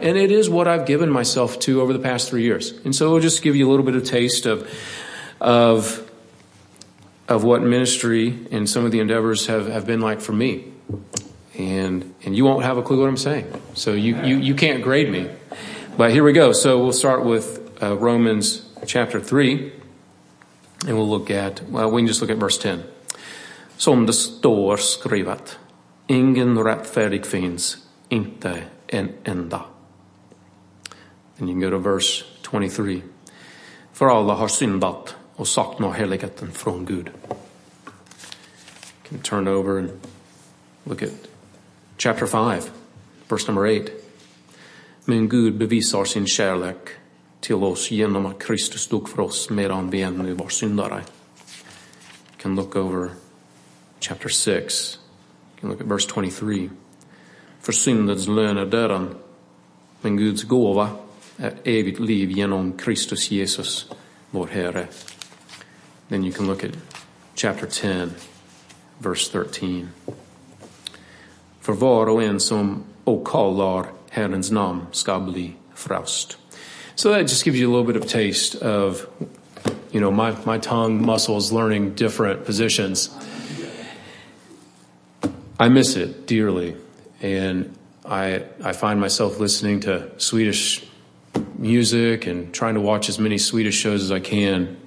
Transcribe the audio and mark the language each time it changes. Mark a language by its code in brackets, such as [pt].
[en] And it is what I've given myself to over the past 3 years. And so it'll just give you a little bit of taste of what ministry and some of the endeavors have been like for me. And you won't have a clue what I'm saying. So you can't grade me. But here we go. So we'll start with Romans chapter 3. And we'll look at, we can just look at verse 10. [sv] Som det står skrivet, ingen rättfärdig finns, inte en enda. [en] And you can go to verse 23. [sv] För alla har syndat och saknar heligheten från Gud. [en] You can turn over and look at chapter 5, verse number 8. [sv] Men Gud bevisar sin kärlek till oss genom att Kristus dog för oss medan vi ännu var syndare. [en] You can look over chapter 6. You can look at verse 23. [sv] För syndens lön är döden, men Guds gåva är evigt liv genom Kristus Jesus, vår Herre. [en] Then you can look at chapter 10, verse 13. [sv] För var och en som åkallar Herrens namn ska bli frälst. [en] So that just gives you a little bit of taste of, you know, my tongue muscles learning different positions. I miss it dearly. And I find myself listening to Swedish music and trying to watch as many Swedish shows as I can.